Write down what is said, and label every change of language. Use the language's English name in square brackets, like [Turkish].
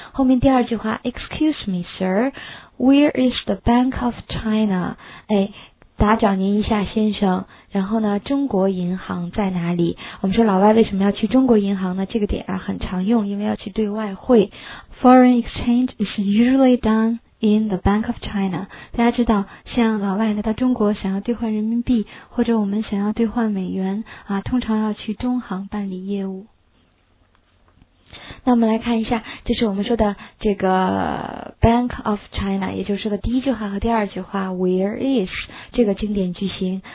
[Chinese] 后面第二句话 [English] ,Excuse me, sir,Where is the Bank of China? [Chinese] 打搅您一下先生，然后呢中国银行在哪里？我们说老外为什么要去中国银行呢？这个点啊很常用，因为要去兑外汇。 [English] Foreign exchange is usually done in the Bank of China. [Chinese] 大家知道像老外来到中国想要兑换人民币或者我们想要兑换美元啊，通常要去中行办理业务。那我们来看一下，这是我们说的这个 Bank of China， 也就是说的第一句话和第二句话 [English] Where is [Chinese] 这个经典句型。